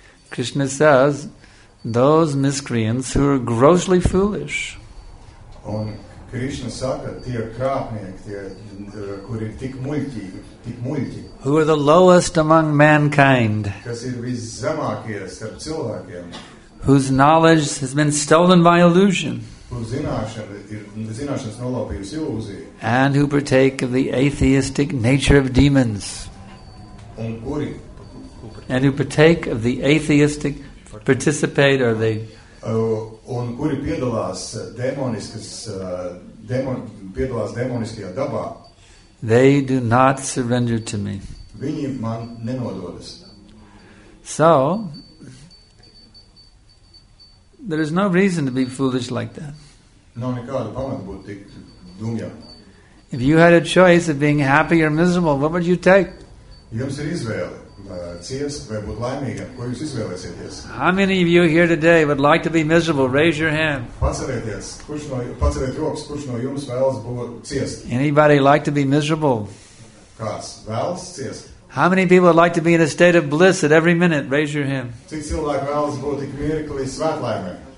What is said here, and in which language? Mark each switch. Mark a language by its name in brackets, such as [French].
[English] Krishna says, those miscreants who are grossly foolish. [Latvian] Un Krishna saka, tie krāpnieki, tie, kuri ir tik muļķi. [English] Who are the lowest among mankind. [Latvian] Kas ir viszemākie starp cilvēkiem. [English] Whose knowledge has been stolen by illusion. [Latvian] Kur zināšanas nolaupījusi ilūzija. [English] And who partake of the atheistic nature of demons. [Latvian] Un kuri. [English] And who partake of the atheistic participate or they [Latvian] un kuri piedalās demoniskas piedalās demoniskajā dabā. [English] They do not surrender to me. [Latvian] Viņi man nenododas. [English] So there is no reason to be foolish like that. [Latvian] Nav nekāda pamata būt tik dumjam. [English] If you had a choice of being happy or miserable, what would you take? [Latvian] Jums ir izvēle. Ciest vai būt laimīgam, ko jūs izvēlēsieties? [English] How many of you here today would like to be miserable? Raise your hand. [Latvian] Paceliet rokas, kurš no jums vēlas būt ciest? [English] Anybody like to be miserable? [Latvian] Kas vēlas ciest? [English] How many people would like to be in a state of bliss at every minute? Raise your hand. [Latvian] Cik cilvēki vēlas būt tik mirkli svētlaimē?